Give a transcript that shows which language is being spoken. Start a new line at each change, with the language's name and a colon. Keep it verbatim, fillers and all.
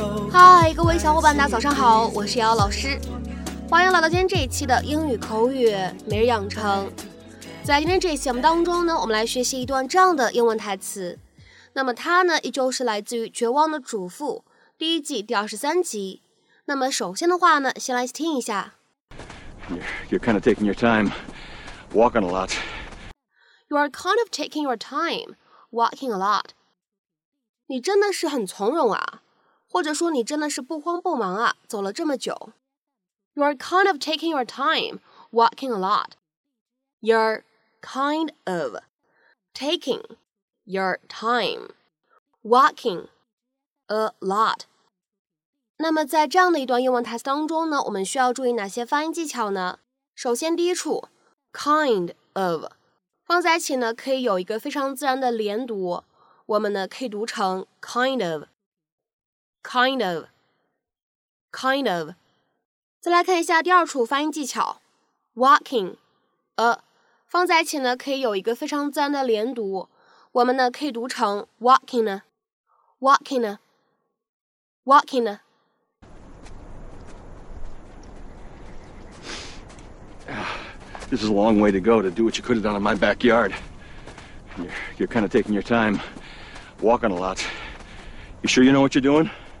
Chinese: 嗨，各位小伙伴大家早上好，我是瑶瑶老师，欢迎来到今天这一期的英语口语每日养成。在今天这一期节目当中呢，我们来学习一段这样的英文台词。那么它呢，依旧是来自于《绝望的主妇》第一季第二十三集。那么首先的话呢，先来听一下。
English: You're kind of taking your time, walking a lot. You are kind of taking your time, walking a lot.
Chinese: 你真的是很从容啊，或者说你真的是不慌不忙啊，走了这么久。
English: You're kind of taking your time, walking a lot. You're kind of taking your time, walking a lot.
Chinese: 那么在这样的一段英文台词当中呢，我们需要注意哪些发音技巧呢？首先第一处 kind of 放在一起呢，可以有一个非常自然的连读。我们呢可以读成 kind of, kind of, kind of。再来看一下第二处发音技巧 walking a 放在一起呢可以有一个非常自然的连读。我们呢可以读成 walking a, walking a, walking a。
English: This is a long way to go to do what you could have done in my backyard. You're, you're kind of taking your time. Walking a lot. You sure you know what you're doing?